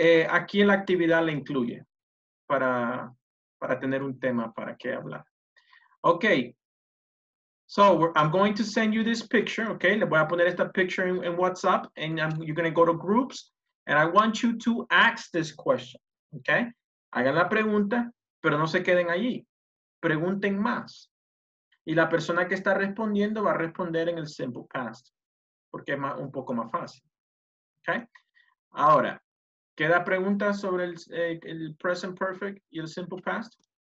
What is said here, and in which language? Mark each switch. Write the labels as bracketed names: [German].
[Spanish] Aquí la actividad la incluye para tener un tema para qué hablar. Okay. [English] So I'm going to send you this picture, okay? [Spanish] Le voy a poner esta [English] picture in WhatsApp, and you're going to go to groups, and I want you to ask this question, okay? [Spanish] Hagan la pregunta, pero no se queden allí. Pregunten más. Y la persona que está respondiendo va a responder en el simple past, porque es más, un poco más fácil, okay? Ahora, ¿queda pregunta sobre el present perfect y el simple past?